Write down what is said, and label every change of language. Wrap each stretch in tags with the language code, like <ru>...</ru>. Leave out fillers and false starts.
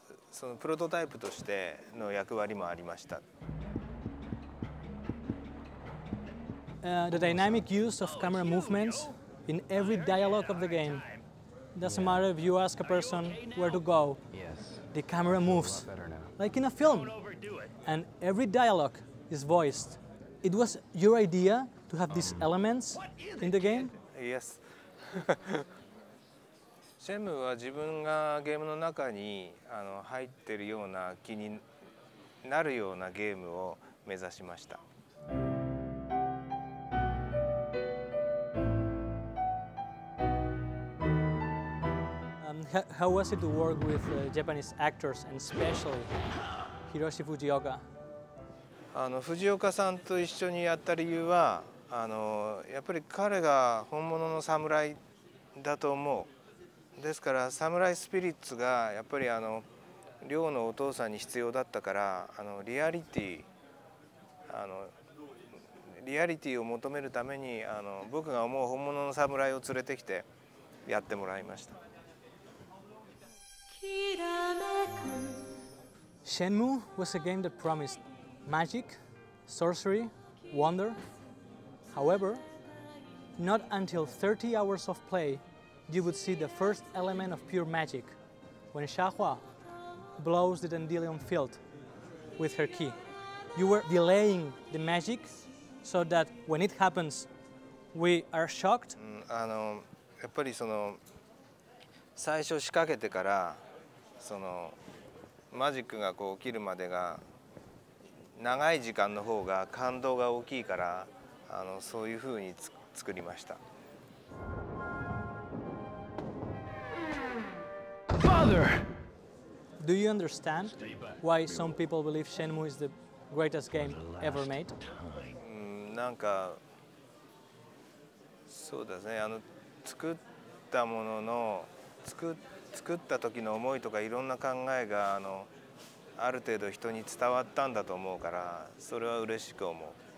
<ja>そのプロトタイプとしての役割もありました。</ja> <en>The dynamic use of camera movements in every dialogue of the game. Doesn't matter if you ask a person where to go. Yes. The camera moves, like in a film. And every dialogue is voiced. It was your idea to have these elements in the game? Yes.</en> <ja>シェムは自分がゲームの中に入ってるような気になるようなゲームを目指しました。</ja> <en>How was it to work with Japanese actors and especially Hiroshi Fujioka?</en> <ja>藤岡さんと一緒にやった理由は。やっぱり彼が本物の侍だと思う。ですから侍スピリッツがやっぱり亮のお父さんに必要だったから、リアリティを求めるために僕が思う本物の侍を連れてきてやってもらいました。</ja> <en>Shenmue was a game that promised magic, sorcery, wonder. However, not until 30 hours of play you would see the first element of pure magic when Shahua blows the dandelion field with her ki. You were delaying the magic so that when it happens, we are shocked.</en> <ja>やっぱりその最初仕掛けてからそのマジックがこう起きるまでが長い時間の方が感動が大きいから、そういうふうに作りました。</ja> <en>Father! Do you understand why some people believe Shenmue is the greatest game ever made?</en> <ja>なんかそうですね、作ったものの作った時の思いとかいろんな考えがある程度人に伝わったんだと思うから、それは嬉しく思う。</ja>